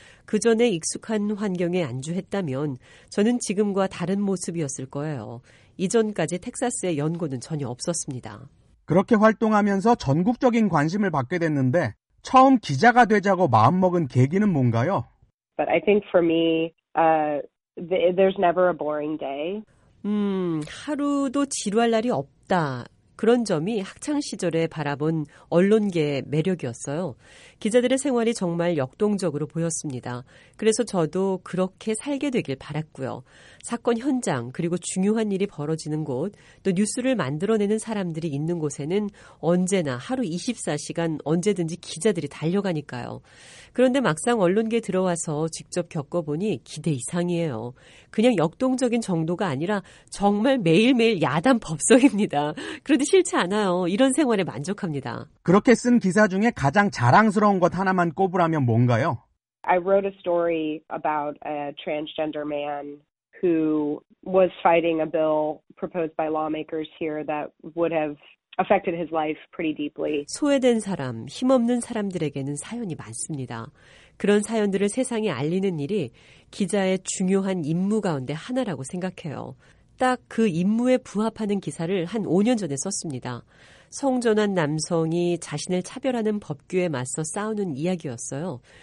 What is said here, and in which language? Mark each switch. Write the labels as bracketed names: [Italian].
[Korean] 그 전에 익숙한 환경에 안주했다면 저는 지금과 다른 모습이었을 거예요. 이전까지 텍사스의 연고는 전혀 없었습니다. 그렇게 활동하면서 전국적인 관심을 받게 됐는데 처음 기자가 되자고 마음먹은 계기는 뭔가요? [English] But I think for me, there's never a boring day. [Korean] 하루도 지루할 날이 없다. 그런 점이 학창시절에 바라본 언론계의 매력이었어요. 기자들의 생활이 정말 역동적으로 보였습니다. 그래서 저도 그렇게 살게 되길 바랐고요. 사건 현장, 그리고 중요한 일이 벌어지는 곳, 또 뉴스를 만들어내는 사람들이 있는 곳에는 언제나 하루 24시간 언제든지 기자들이 달려가니까요. 그런데 막상 언론계에 들어와서 직접 겪어보니 기대 이상이에요. 그냥 역동적인 정도가 아니라 정말 매일매일 야단 법석입니다. 그래도 싫지 않아요. 이런 생활에 만족합니다. 그렇게 쓴 기사 중에 가장 자랑스러운 것 하나만 꼽으라면 뭔가요? [English] I wrote a story about a transgender man who was fighting a bill proposed by lawmakers here that would have affected his life pretty deeply. [Korean] 소외된 사람, 힘없는 사람들에게는 사연이 많습니다. 그런 사연들을 세상에 알리는 일이 기자의 중요한 임무 가운데 하나라고 생각해요. 딱 그 임무에 부합하는 기사를 한 5년 전에 썼습니다. 성전환 남성이 자신을 차별하는 법규에 맞서 싸우는 이야기였어요.